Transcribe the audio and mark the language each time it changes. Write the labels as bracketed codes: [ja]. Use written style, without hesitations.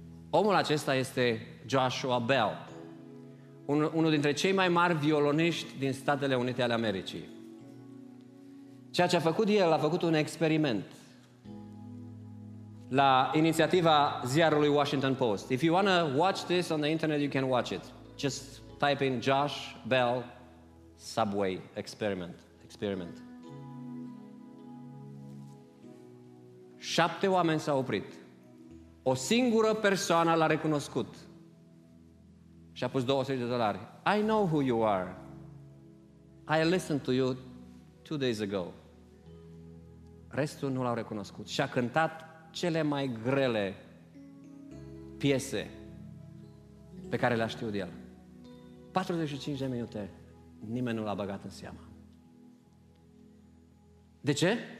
[ro] Omul acesta este Joshua Bell, unul dintre cei mai mari violoniști din Statele Unite ale Americii. Ceea ce a făcut el, a făcut un experiment la inițiativa ziarului Washington Post. [en] If you want to watch this on the internet, you can watch it. Just type in Josh Bell Subway Experiment. [ro] 7 oameni s-au oprit. O singură persoană l-a recunoscut. Și a pus 20 de dolari. [en] I know who you are. I listened to you 2 days ago. [ro] Restul nu l-au recunoscut. Și a cântat cele mai grele piese pe care le-a știut el. 45 de minute, nimeni nu l-a băgat în seamă. De ce?